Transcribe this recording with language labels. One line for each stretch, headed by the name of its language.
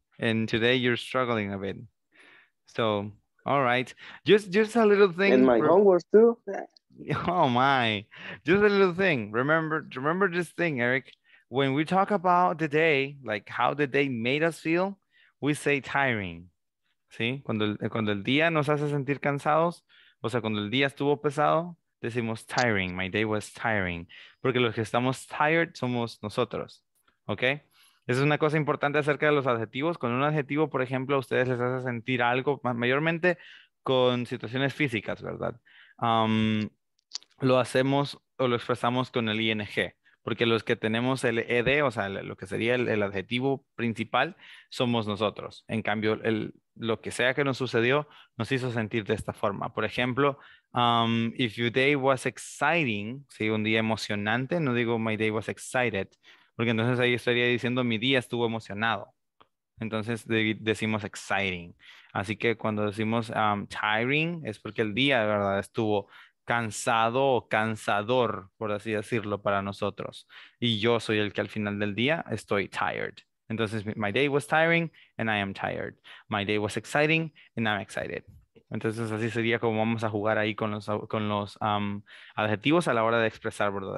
English: And today you're struggling a bit. So, all right. Just a little thing. And my homework too. Oh my. Just a little thing. Remember this thing, Eric. When we talk about the day, like how the day made us feel, we say tiring.
Spanish: ¿Sí? Cuando el día nos hace sentir cansados, o sea, cuando el día estuvo pesado, decimos tiring.
English: My day was tiring.
Spanish: Porque los que estamos tired somos nosotros. ¿Okay? Esa es una cosa importante acerca de los adjetivos. Con un adjetivo, por ejemplo, a ustedes les hace sentir algo, mayormente con situaciones físicas, ¿verdad? Lo hacemos o lo expresamos con el ing. Porque los que tenemos el ed, o sea, lo que sería el adjetivo principal, somos nosotros. En cambio, lo que sea que nos sucedió, nos hizo sentir de esta forma. Por ejemplo,
English: if your day was exciting,
Spanish: ¿sí? Un día emocionante, no digo
English: my day was excited,
Spanish: porque entonces ahí estaría diciendo mi día estuvo emocionado. Entonces decimos exciting. Así que cuando decimos tiring, es porque el día de verdad estuvo cansado o cansador, por así decirlo, para nosotros. Y yo soy el que al final del día estoy tired. Entonces,
English: my day was tiring and I am tired. My day was exciting and I'm excited.
Spanish: Entonces, así sería como vamos a jugar ahí con los adjetivos a la hora de expresar, ¿verdad?